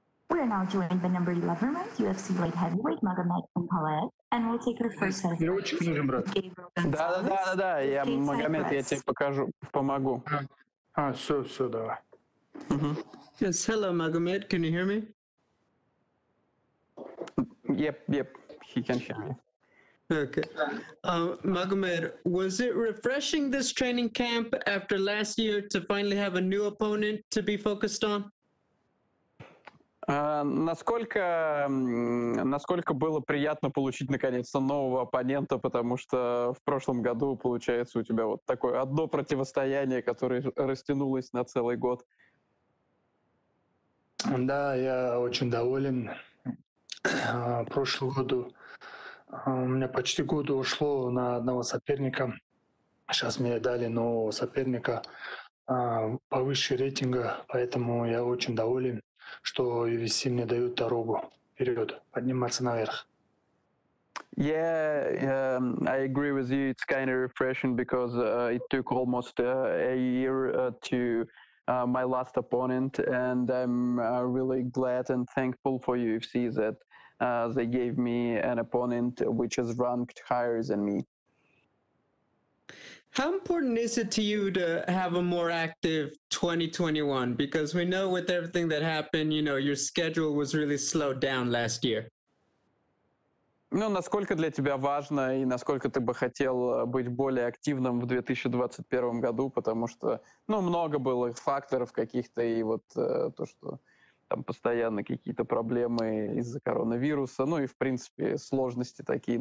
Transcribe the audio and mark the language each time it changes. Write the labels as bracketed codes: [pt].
[en] are now joined by number 11 ranked UFC light heavyweight Magomed Ankalaev, and we'll take our first set. [ru] Да, я Магомед, я тебе покажу, помогу. Все, давай. [en] Yes, hello, Magomed. Can you hear me? Yep. He can hear me. Okay. Magomed, was it refreshing this training camp after last year to finally have a new opponent to be focused on? [ru] Насколько было приятно получить наконец-то нового оппонента, потому что в прошлом году, получается, у тебя вот такое одно противостояние, которое растянулось на целый год. Да, я очень доволен. Прошлый год у меня почти год ушло на одного соперника. Сейчас мне дали нового соперника повыше рейтинга, поэтому я очень доволен, что UFC мне дают дорогу вперед, подниматься наверх. [en] Yeah, I agree with you. It's kind of refreshing because it took almost a year to my last opponent, and I'm really glad and thankful for UFC that they gave me an opponent which is ranked higher than me. How important is it to you to have a more active 2021? Because we know with everything that happened, you know, your schedule was really slowed down last year. [ru] Ну, насколько для тебя важно и насколько ты бы хотел быть более активным в 2021 году, потому что, ну, много было факторов каких-то, и вот то, что там постоянно какие-то проблемы из-за коронавируса, ну и, в принципе, сложности такие.